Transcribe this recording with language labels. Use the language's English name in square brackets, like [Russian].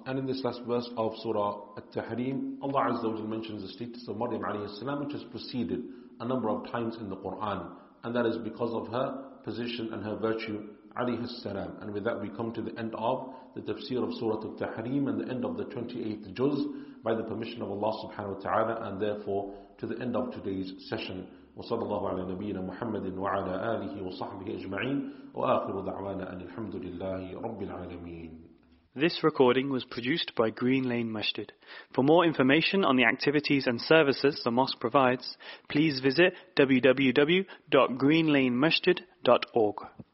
[English] And in this last verse of Surah At-Tahrim, Allah Azza wa Jalla mentions the status of Maryam alayhi salam, which has preceded a number of times in the Quran. And that is because of her position and her virtue alayhi salam. And with that, we come to the end of the tafsir of Surah At-Tahrim and the end of the 28th juz by the permission of Allah subhanahu wa ta'ala, and therefore to the end of today's session. [Arabic] وصلى الله على نبينا محمد وعلى آله وصحبه أجمعين وآخر دعوانا أن الحمد لله رب العالمين. [English] This recording was produced by Green Lane Masjid. For more information on the activities and services the mosque provides, please visit www.greenlanemasjid.org.